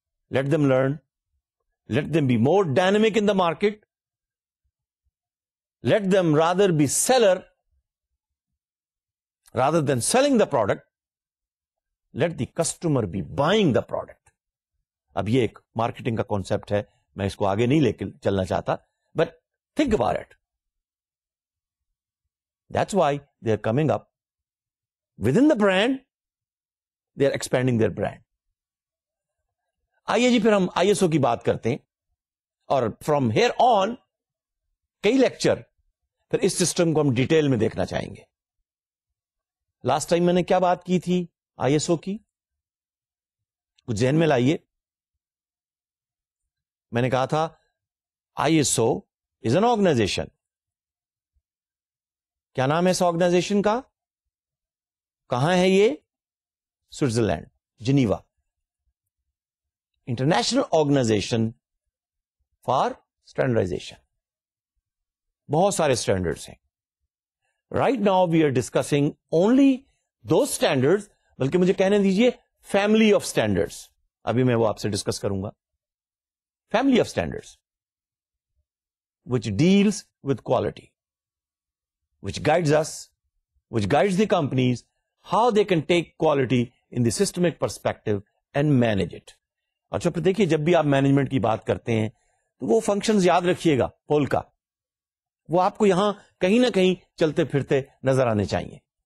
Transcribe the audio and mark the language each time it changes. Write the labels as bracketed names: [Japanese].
[English] Let them learn, let them be more dynamic in the market, let them rather be seller rather than selling the product, let the customer be buying the product. [Urdu] اب یہ ایک marketing کا concept ہے, میں اس کو آگے نہیں لے کے چلنا چاہتا, [English] But think about it. That's why they are coming up with in the brand, they are expanding their brand. [Urdu] آئیے جی پھر ہم ISO کی بات کرتے ہیں, اور [English] from here on [Urdu] کئی لیکچر پھر اس سسٹم کو ہم ڈیٹیل میں دیکھنا چاہیں گے. لاسٹ ٹائم میں نے کیا بات کی تھی ISO کی, کچھ ذہن میں لائیے. میں نے کہا تھا ISO [English] Is an organization. [Urdu] کیا نام ہے اس آرگنائزیشن کا, کہاں ہے یہ؟ Switzerland, Geneva, international organization for standardisation. بہت سارے اسٹینڈرڈس ہیں. [English] right now we are discussing only those standards, [Urdu] بلکہ مجھے کہنے دیجئے فیملی آف اسٹینڈرڈس, ابھی میں وہ آپ سے ڈسکس کروں گا. Family of standards, [English] which deals with quality, which guides us, which guides the companies, how they can take quality in the systemic perspective and manage it. [Urdu] اچھا پھر دیکھیے جب بھی آپ مینجمنٹ کی بات کرتے ہیں تو وہ فنکشنز یاد رکھیے گا پول کا, وہ آپ کو یہاں کہیں نہ کہیں چلتے پھرتے نظر آنے چاہیے.